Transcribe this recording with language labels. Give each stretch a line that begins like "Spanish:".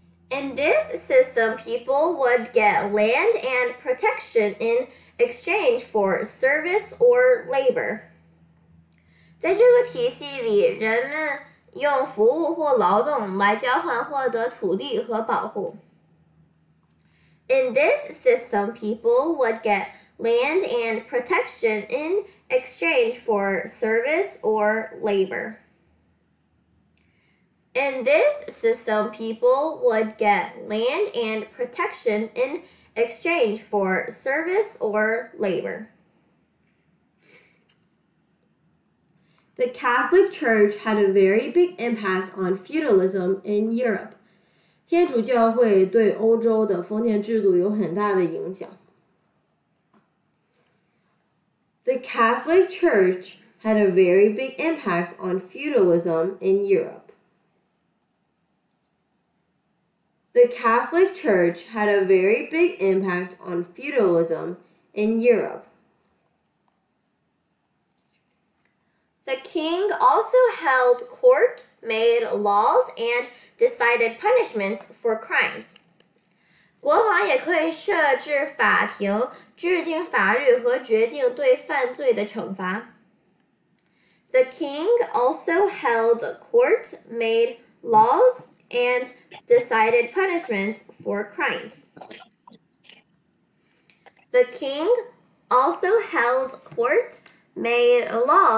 English: In this system, people would get land and protection in exchange for service or labor.
Chinese: 在这个体系里，人们用服务或劳动来交换获得土地和保护。
English: In this system, people would get land and protection in exchange for service or labor. In this system, people would get land and protection in exchange for service or labor. The Catholic Church had a very big impact on feudalism in Europe.
Chinese: 天主教会对欧洲的封建制度有很大的影响。
English: The Catholic Church had a very big impact on feudalism in Europe. The Catholic Church had a very big impact on feudalism in Europe. The king also held court, made laws, and decided punishments for crimes.
Chinese: 国王也可以设置法庭，制定法律和决定对犯罪的惩罚。
English: The king also held court, made laws,and decided punishments for crimes. The king also held court, made laws, and decided punishments for crimes.